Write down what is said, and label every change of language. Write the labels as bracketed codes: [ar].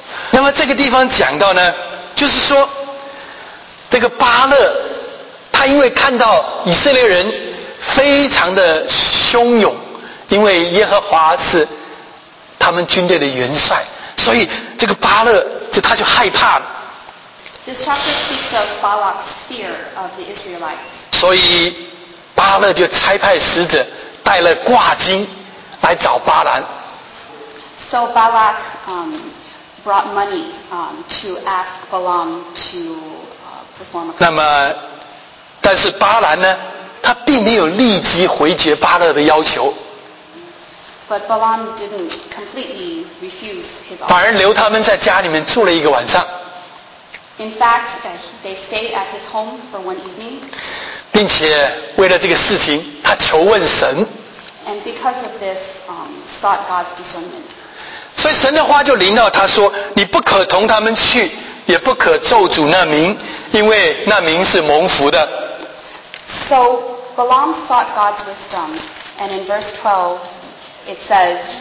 [zh] 那么这个地方讲到呢，就是说这个巴勒他因为看到以色列人非常的汹涌，因为耶和华是他们军队的元帅，所以这个巴勒就他就害怕了。 [en] This chapter speaks of Balak's fear of the Israelites. [zh] 所以巴勒就差派使者带了挂金来找巴兰。 [en] So Balak brought money to ask Balaam to perform. [zh] 那么，但是巴兰呢，他并没有立即回绝巴勒的要求。 [en] But Balaam didn't completely refuse his offer. [zh] 反而留他们在家里面住了一个晚上。 [en] In fact, they stayed at his home for one evening. [zh] 并且为了这个事情，他求问神。 [en] And because of this, sought God's discernment. [zh] 所以神的话就临到他说：“你不可同他们去，也不可咒诅那民，因为那民是蒙福的。” [en] So Balaam sought God's wisdom, and in verse 12, it says,